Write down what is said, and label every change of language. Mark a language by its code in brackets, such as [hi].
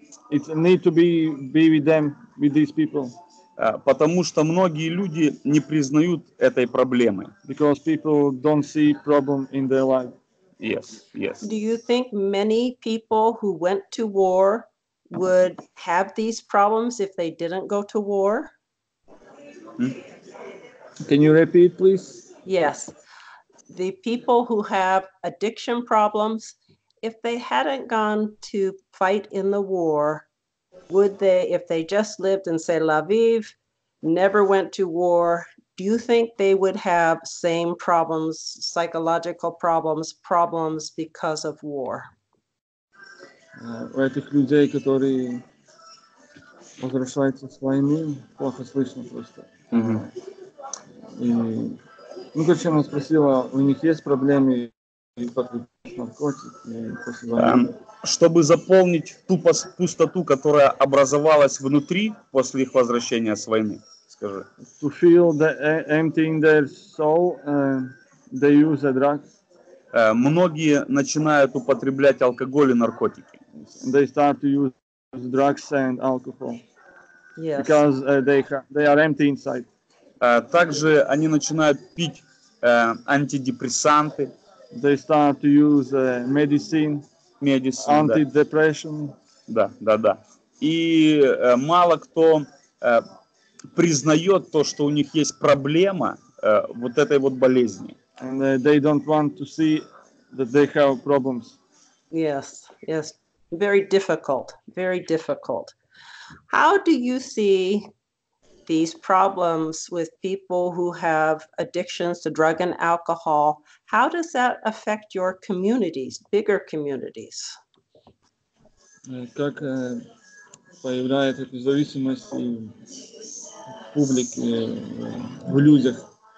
[en] It need to be with them, with these people. [ru] Потому что многие люди не признают этой проблемы. [en] Because people don't see problem in their life. Yes, yes. Do you think many people who went to war would have these problems if they didn't go to war? Can you repeat, please? Yes. The people who have addiction problems, if they hadn't gone to fight in the war, would they, if they just lived in, say, L'Aviv, never went to war, do you think they would have same problems, psychological problems, problems because of war? [ru] У этих людей, которые возвращаются с войны, плохо слышно просто. Mm-hmm. И, ну, короче, она спросила, у них есть проблемы, и подключить наркотики, и после войны. Чтобы заполнить ту пустоту, которая образовалась внутри после их возвращения с войны, скажи. [en] To feel the empty in their soul, they use a drug. [ru] Многие начинают употреблять алкоголь и наркотики. [en] They start to use drugs and alcohol. Yes. Because they are empty inside. [ru] Также они начинают пить антидепрессанты. [en] They start to use medicine. [ru] Медицин, [en] anti-depression. [ru] Да, да, да. И мало кто признает то, что у них есть проблема вот этой вот болезни. [en] And they don't want to see that they have problems. Yes, yes. Very difficult, very difficult. How do you see these problems with people who have addictions to drug and alcohol, how does that affect your communities, bigger communities? [ru] Как появляется эта зависимость в публике, в людях?